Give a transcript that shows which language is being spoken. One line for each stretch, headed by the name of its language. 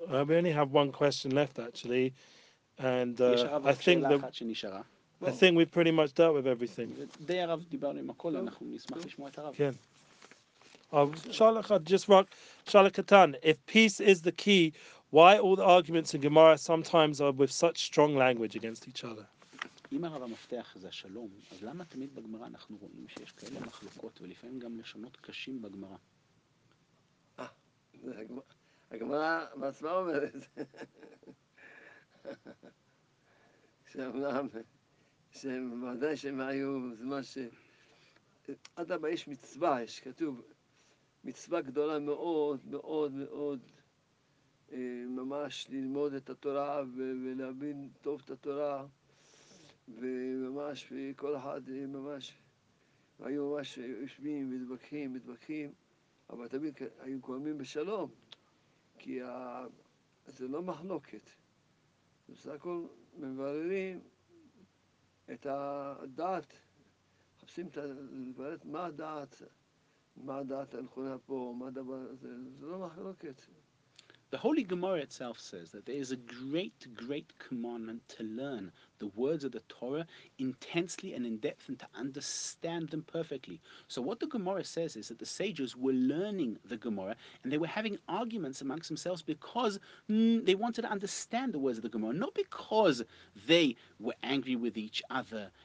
English: We only have one question left, actually, and I think we've pretty much dealt with everything. Shalakatan, if peace is the key, why all the arguments in Gemara sometimes are with such strong language against each other?
Hebrew: אם הרב המפתח זה השלום, אז למה תמיד בגמרא אנחנו רואים שיש כאלה מחלוקות ולפעמים גם לשונות קשים בגמרא? זה הגמרא בעצמה אומרת. שאומנם, שבוודאי שהם היו זמן ש... עד הבא יש מצווה, יש כתוב, מצווה גדולה מאוד, מאוד, מאוד, ממש ללמוד את התורה ולהבין טוב את התורה, וממש, וכל אחד ממש, היו ממש יושבים, מתווכחים, מתווכחים, אבל תמיד היו קוראים בשלום, כי זה לא מחלוקת. בסך הכל מבררים את הדעת, חפשים את הדברת, מה הדעת, מה הדעת הנכונה פה, מה הדבר הזה, זה לא מחלוקת.
English: The Holy Gemara itself says that there is a great, great commandment to learn the words of the Torah intensely and in depth and to understand them perfectly. So what the Gemara says is that the sages were learning the Gemara and they were having arguments amongst themselves because they wanted to understand the words of the Gemara, not because they were angry with each other.